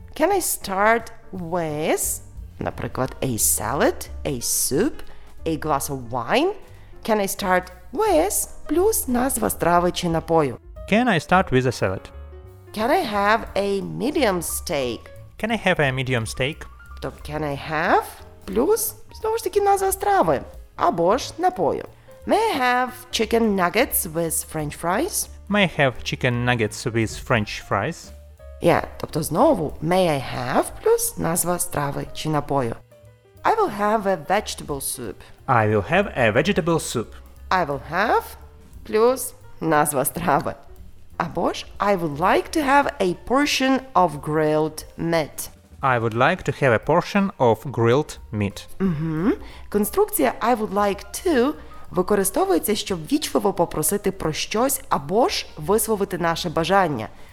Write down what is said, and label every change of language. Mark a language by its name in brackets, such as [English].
[English] Can I start with, наприклад, a salad, a soup, a glass of wine? Can I start with, [Ukrainian] плюс назва страви чи напою? [English] Can I start with a salad? Can I have a medium steak? Can I have a medium steak? То can I have? [Ukrainian] Плюс, знову ж таки, назва страви. Або ж напою. [English] May I have chicken nuggets with french fries? May I have chicken nuggets with french fries? [Ukrainian] Yeah, тобто знову, [English] may I have [Ukrainian] плюс назва страви чи напою. [English] I will have a vegetable soup. I will have a vegetable soup. I will have [Ukrainian] плюс назва страви. [English] Або ж, I would like to have a portion of grilled meat. I would like to have a portion of grilled meat. [Ukrainian] Конструкція [English] I would like to [Ukrainian] використовується, щоб ввічливо попросити про щось або ж висловити наше бажання.